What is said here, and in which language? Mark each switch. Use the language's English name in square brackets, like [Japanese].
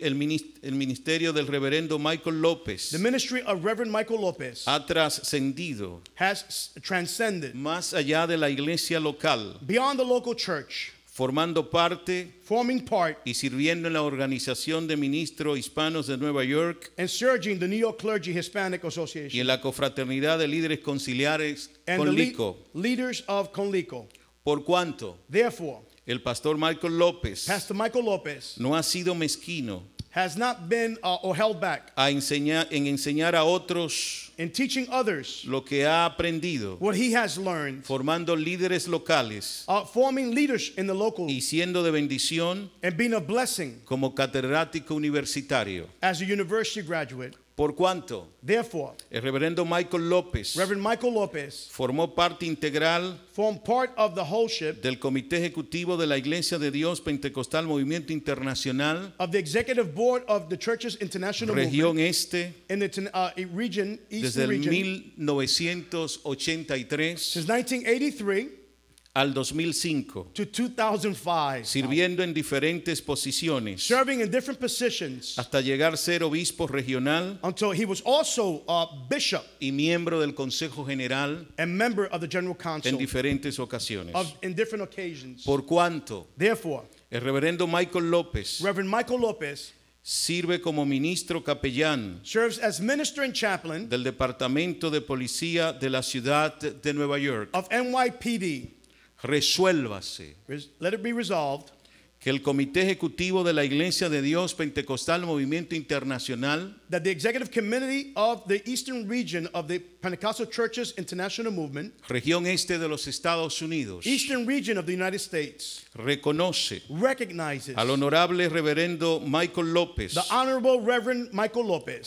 [Spanish] el ministerio del reverendo Michael López, [English] the ministry of Reverend Michael López, [Spanish] ha trascendido, [English] has transcended, [Spanish] más allá de la iglesia local, [English] beyond the local church, [Spanish] formando parte, [English] forming part, [Spanish] y sirviendo en la organización de ministros hispanos de Nueva York, [English] and serving the New York Clergy Hispanic Association, [Spanish] y en la confraternidad de líderes conciliares [English] and Conlico, leaders of Conlico. [Spanish] Por cuanto, [English] therefore, [Spanish] el pastor Michael López, [English] Pastor Michael López, [Spanish] no ha sido mezquino, [English] has not been or held back, [Spanish] a enseñar, en enseñar a otros, [English] in teaching others, [Spanish] lo que ha aprendido, [English] what he has learned, [Spanish] formando líderes locales, [English] forming leaders in the local, [Spanish] y siendo de bendición, [English] and being a blessing, [Spanish] como catedrático universitario, [English] as a university graduate. [Spanish] Por cuanto, [English] therefore, [Spanish] el reverendo Michael López, [English] Reverend Michael López, [Spanish] formó parte integral, [English] formed part of the whole ship, [Spanish] del comité ejecutivo de la Iglesia de Dios Pentecostal Movimiento Internacional, [English] of the executive board of the Church's International [Spanish] Región [English] Movement, [Spanish] Este, [English] in the region, Eastern [Spanish] desde [English] region, [Spanish] 1983, [English] since 1983, [Spanish] al 2005, [English] to 2005, [Spanish] sirviendo en diferentes posiciones, [English] serving in different positions, [Spanish] hasta llegar a ser obispo regional, [English] until he was also a bishop, [Spanish] y miembro del Consejo General, [English] and member of the General Council, [Spanish] en diferentes ocasiones, [English] in different occasions. [Spanish] Por cuanto, [English] therefore, [Spanish] el reverendo Michael López, [English] Reverend Michael López, [Spanish] sirve como ministro capellán, [English] serves as minister and chaplain, [Spanish] del Departamento de Policía de la Ciudad de Nueva York, [English] of NYPD. [Spanish] Resuélvase, [English] let it be resolved, [Spanish] que el Comité Ejecutivo de la Iglesia de Dios Pentecostal Movimiento Internacional, [English] that the Executive Committee of the Eastern Region of the Pentecostal Churches International Movement, [Spanish] Región Este de los Estados Unidos, [English] Eastern Region of the United States, [Spanish] reconoce, [English] recognizes, [Spanish] al Honorable Reverendo Michael López, [English] the Honorable Reverend Michael López,